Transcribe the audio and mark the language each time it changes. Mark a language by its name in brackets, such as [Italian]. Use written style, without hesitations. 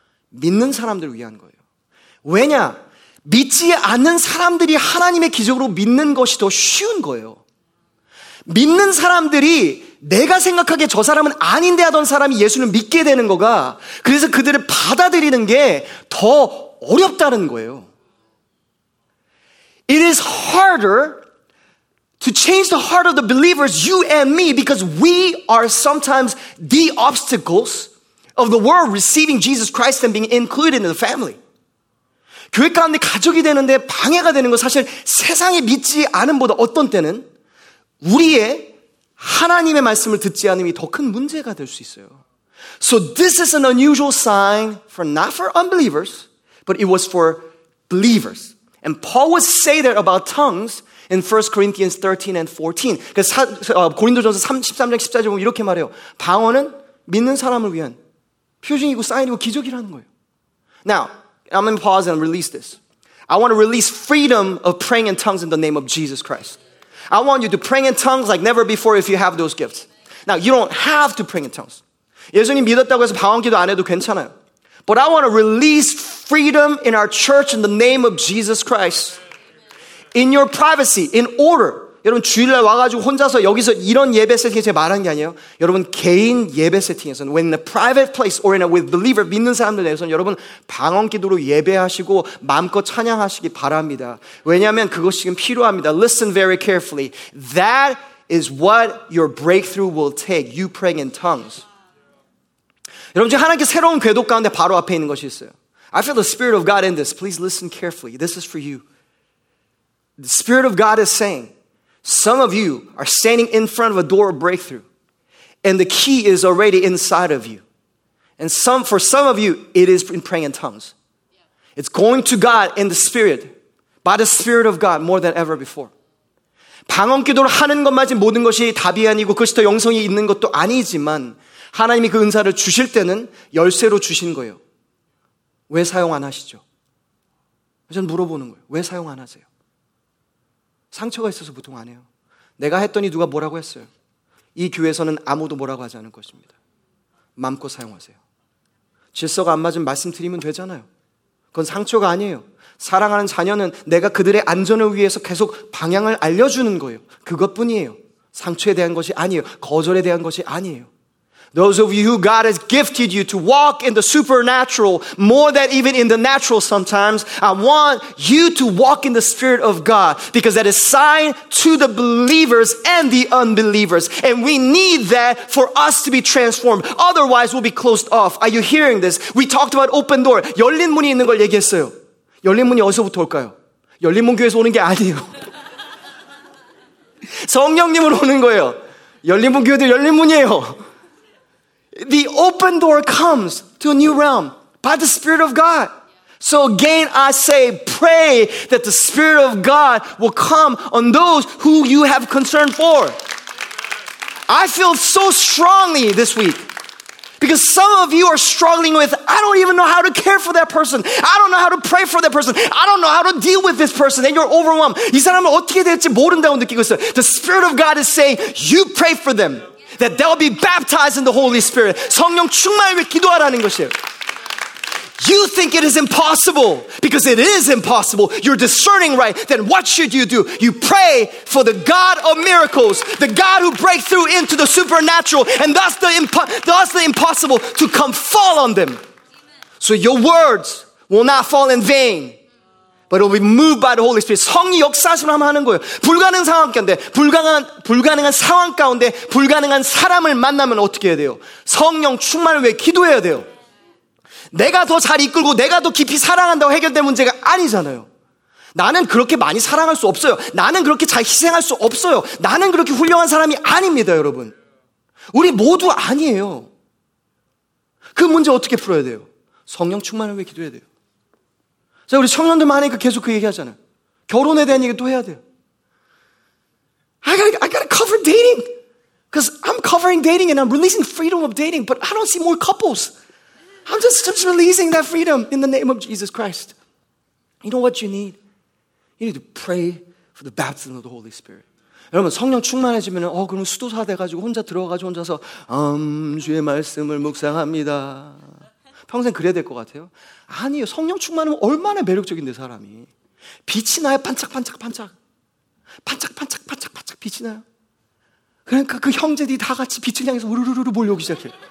[Korean] 믿는 사람들을 위한 거예요. 왜냐? 믿지 않는 사람들이 하나님의 기적으로 믿는 것이 더 쉬운 거예요. 믿는 사람들이 내가 생각하기에 저 사람은 아닌데 하던 사람이 예수를 믿게 되는 거가 그래서 그들을 받아들이는 게 더 어렵다는 거예요. [English] It is harder to change the heart of the believers, you and me, because we are sometimes the obstacles of the world receiving Jesus Christ and being included in the family. [Korean] 교회 가운데 가족이 되는데 방해가 되는 건 사실 세상에 믿지 않음보다 어떤 때는 우리의 하나님의 말씀을 듣지 않음이 더 큰 문제가 될 수 있어요. [English] So this is an unusual sign for not for unbelievers, but it was for believers. And Paul would say that about tongues in 1 Corinthians 13 and 14. [Korean] 그래서 고린도전서 13장 14절 보면 이렇게 말해요. 방언은 믿는 사람을 위한 표징이고 사인이고 기적이라는 거예요. [English] Now, I'm going to pause and release this. I want to release freedom of praying in tongues in the name of Jesus Christ. I want you to pray in tongues like never before if you have those gifts. Now, you don't have to pray in tongues. [Korean] 예수님 믿었다고 해서 방언기도 안 해도 괜찮아요. [English] But I want to release freedom in our church in the name of Jesus Christ. In your privacy, in order. [Korean] 여러분 주일날 와가지고 혼자서 여기서 이런 예배 세팅에 제가 말하는 게 아니에요. 여러분 개인 예배 세팅에서는 [English] when in a private place or in a with believer [Korean] 믿는 사람들 내에서는 여러분 방언기도로 예배하시고 마음껏 찬양하시기 바랍니다. 왜냐하면 그것이 지금 필요합니다. [English] Listen very carefully. That is what your breakthrough will take. You praying in tongues. [Korean] 여러분 지금 하나님께 새로운 궤도 가운데 바로 앞에 있는 것이 있어요. [English] I feel the spirit of God in this. Please listen carefully. This is for you. The spirit of God is saying some of you are standing in front of a door of breakthrough and the key is already inside of you. And some, for some of you, it is in praying in tongues. It's going to God in the spirit, by the spirit of God more than ever before. [Korean] 방언 기도를 하는 것만 모든 것이 답이 아니고 그것이 더 영성이 있는 것도 아니지만 하나님이 그 은사를 주실 때는 열쇠로 주신 거예요. 왜 사용 안 하시죠? 저는 물어보는 거예요. 왜 사용 안 하세요? 상처가 있어서 보통 안 해요. 내가 했더니 누가 뭐라고 했어요? 이 교회에서는 아무도 뭐라고 하지 않을 것입니다. 마음껏 사용하세요. 질서가 안 맞으면 말씀드리면 되잖아요. 그건 상처가 아니에요. 사랑하는 자녀는 내가 그들의 안전을 위해서 계속 방향을 알려주는 거예요. 그것뿐이에요. 상처에 대한 것이 아니에요. 거절에 대한 것이 아니에요. [English] Those of you who God has gifted you to walk in the supernatural more than even in the natural sometimes, I want you to walk in the Spirit of God because that is sign to the believers and the unbelievers. And we need that for us to be transformed. Otherwise, we'll be closed off. Are you hearing this? We talked about open door. [Korean] 열린 문이 있는 걸 얘기했어요. 열린 문이 어디서부터 올까요? 열린 문 교회에서 오는 게 아니에요. 성령님으로 오는 거예요. 열린 문 교회도 열린 문이에요. [English] The open door comes to a new realm by the Spirit of God. So again, I say, pray that the Spirit of God will come on those who you have concern for. I feel so strongly this week because some of you are struggling with, I don't even know how to care for that person. I don't know how to pray for that person. I don't know how to deal with this person. And you're overwhelmed. [Korean] 이 사람은 어떻게 될지 모른다고 느끼고 있어요. [English] The Spirit of God is saying, you pray for them. That they'll be baptized in the Holy Spirit. [Korean] 성령 충만을 위해 기도하라는 것이에요. [English] You think it is impossible because it is impossible. You're discerning right. Then what should you do? You pray for the God of miracles, the God who breaks through into the supernatural and thus the impossible to come fall on them. So your words will not fall in vain. But it will be moved by the Holy Spirit. [Korean] 성이 역사하시면 하면 하는 거예요. 불가능한 상황 가운데, 불가능한 상황 가운데, 불가능한 사람을 만나면 어떻게 해야 돼요? 성령 충만을 위해 기도해야 돼요. 내가 더 잘 이끌고, 내가 더 깊이 사랑한다고 해결될 문제가 아니잖아요. 나는 그렇게 많이 사랑할 수 없어요. 나는 그렇게 잘 희생할 수 없어요. 나는 그렇게 훌륭한 사람이 아닙니다, 여러분. 우리 모두 아니에요. 그 문제 어떻게 풀어야 돼요? 성령 충만을 위해 기도해야 돼요. 자, 우리 청년들만 하니까 계속 그 얘기 하잖아요. 결혼에 대한 얘기 또 해야 돼요. [English] I gotta cover dating. Because I'm covering dating and I'm releasing freedom of dating, but I don't see more couples. I'm just releasing that freedom in the name of Jesus Christ. You know what you need? You need to pray for the baptism of the Holy Spirit. [Korean] 여러분, 성령 충만해지면, 그럼 수도사 돼가지고 혼자 들어가가지고 혼자서, 주의 말씀을 묵상합니다. 평생 그래야 될 것 같아요? 아니요. 성령 충만하면 얼마나 매력적인데 사람이. 빛이 나요. 반짝반짝반짝. 반짝반짝반짝반짝 빛이 나요. 그러니까 그 형제들이 다 같이 빛을 향해서 우르르르 몰려오기 시작해.